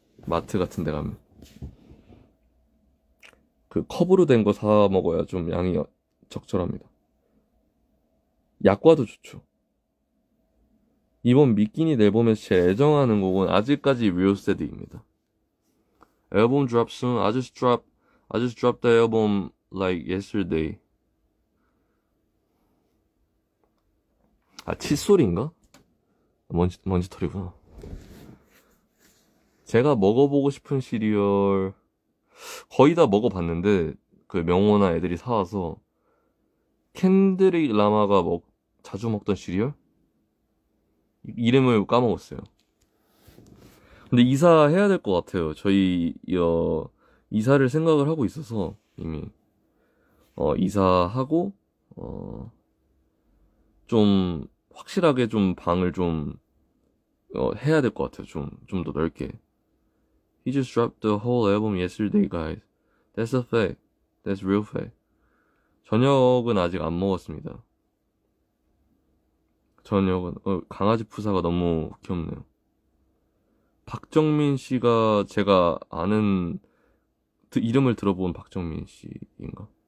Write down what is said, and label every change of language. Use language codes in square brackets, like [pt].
[ko] 마트 같은 데 가면 그 컵으로 된거사 먹어야 좀 양이 적절합니다. 약과도 좋죠. 이번 미끼니 앨범에서 제일 애정하는 곡은 아직까지 리오스테디입니다. 앨범 [en] drop soon. I just dropped the album like yesterday. [ko] 아, 칫솔인가? 먼지털이구나. 제가 먹어보고 싶은 시리얼 거의 다 먹어봤는데 그 명호나 애들이 사와서 켄드릭 라마가 자주 먹던 시리얼? 이름을 까먹었어요. 근데 이사해야 될것 같아요. 저희 이사를 생각을 하고 있어서 이미 이사하고 좀 확실하게 좀 방을 좀 해야 될것 같아요. 좀더 넓게. [en] He just dropped the whole album yesterday, guys. That's a fact. That's real fact. [ko] 저녁은 아직 안 먹었습니다. 저녁은 강아지 프사가 너무 귀엽네요. 박정민 씨가 제가 아는 이름을 들어본 박정민 씨인가?